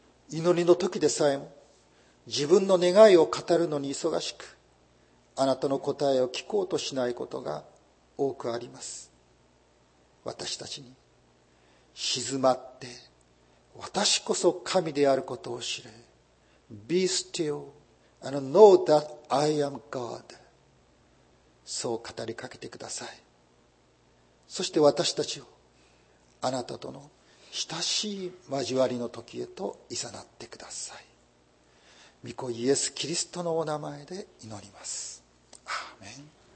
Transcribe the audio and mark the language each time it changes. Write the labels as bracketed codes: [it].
[ja] 祈りの時でさえも、自分の願いを語るのに忙しく、あなたの答えを聞こうとしないことが多くあります。私たちに、静まって、私こそ神であることを知れ、 [en] Be still and know that I am God. [ja] そう語りかけてください。そして私たちをあなたとの親しい交わりの時へと誘ってください。御子イエス・キリストのお名前で祈ります。アーメン。